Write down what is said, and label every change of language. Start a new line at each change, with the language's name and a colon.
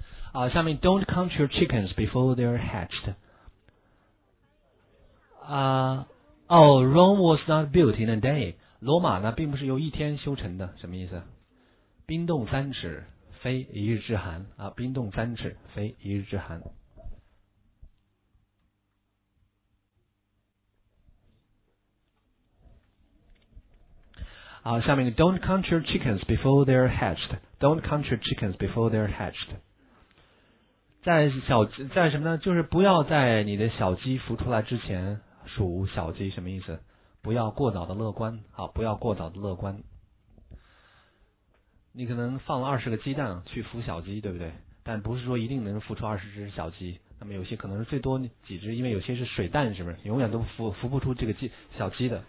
English: 啊，
Chinese: 下面
English: don't count your chickens before they're hatched。啊，哦 ，Rome was not built in a day。
Chinese: 罗马呢，并不是由一天修成的，什么意思？冰冻三尺，非一日之寒啊！冰冻三尺，非一日之寒。
English: 啊，
Chinese: 下面
English: don't count your chickens before they're hatched。 Don't count your chickens before they're hatched。
Chinese: 在什么呢，就是不要在你的小鸡孵出来之前数小鸡，什么意思，不要过早的乐观，好，不要过早的乐观，你可能放了20个鸡蛋去孵小鸡，对不对，但不是说一定能孵出20只小鸡，那么有些可能是最多几只，因为有些是水蛋，是不是永远都孵不出这个鸡小鸡的。